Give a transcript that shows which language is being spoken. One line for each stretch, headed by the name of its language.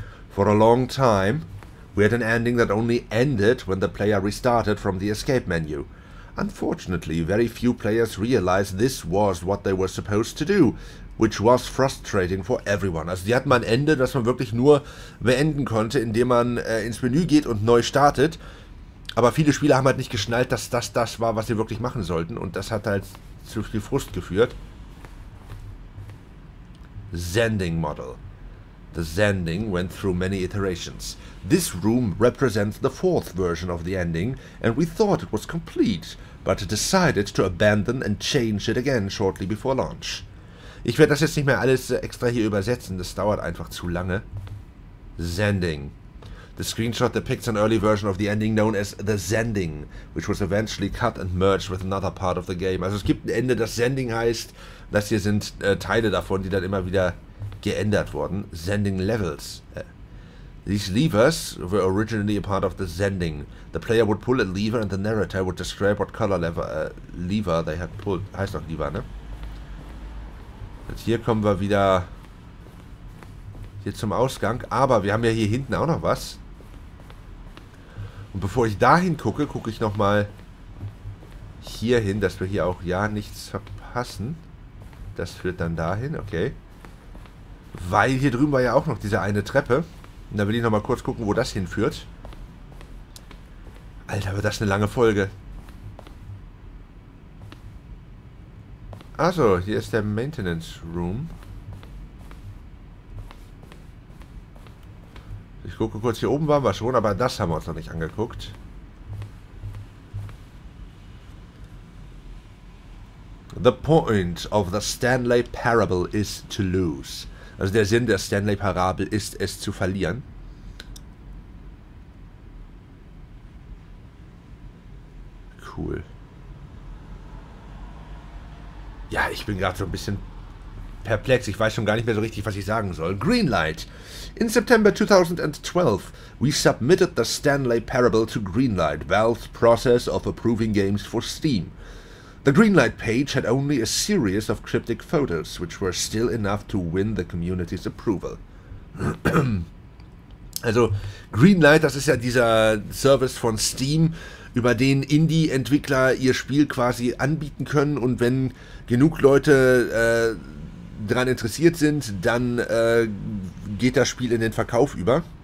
English: For a long time, we had an ending that only ended when the player restarted from the escape menu. Unfortunately, very few players realized this was what they were supposed to do, which was frustrating for everyone.
German: Also die hatten mal ein Ende, das man wirklich nur beenden konnte, indem man ins Menü geht und neu startet. Aber viele Spieler haben halt nicht geschnallt, dass das das war, was sie wirklich machen sollten. Und das hat halt zu viel Frust geführt.
English: Zending Model. The Zending went through many iterations. This room represents the fourth version of the ending, and we thought it was complete, but decided to abandon and change it again shortly before launch.
German: Ich werde das jetzt nicht mehr alles extra hier übersetzen, das dauert einfach zu lange.
English: Zending. The screenshot depicts an early version of the ending known as the Zending, which was eventually cut and merged with another part of the game.
German: Also es gibt ein Ende, das Zending heißt. Das hier sind Teile davon, die dann immer wieder geändert wurden.
English: Zending Levels. These levers were originally a part of the Zending. The player would pull a lever and the narrator would describe what color lever they had pulled.
German: Heißt doch Lever, ne? Und hier kommen wir wieder hier zum Ausgang. Aber wir haben ja hier hinten auch noch was. Und bevor ich dahin gucke, gucke ich nochmal hier hin, dass wir hier auch ja nichts verpassen. Das führt dann dahin, okay. Weil hier drüben war ja auch noch diese eine Treppe. Und da will ich nochmal kurz gucken, wo das hinführt. Alter, wird das eine lange Folge. Achso, hier ist der Maintenance Room. Ich gucke kurz, hier oben waren wir schon, aber das haben wir uns noch nicht angeguckt.
English: The point of the Stanley Parable is to lose.
German: Also der Sinn der Stanley Parable ist, es zu verlieren. Cool. Ja, ich bin gerade so ein bisschen perplex. Ich weiß schon gar nicht mehr so richtig, was ich sagen soll.
English: Greenlight. In September 2012, we submitted the Stanley Parable to Greenlight, Valve's process of approving games for Steam. The Greenlight page had only a series of cryptic photos, which were still enough to win the community's approval.
German: Also, Greenlight, das ist ja dieser Service von Steam, über den Indie-Entwickler ihr Spiel quasi anbieten können und wenn genug Leute daran interessiert sind, dann geht das Spiel in den Verkauf über.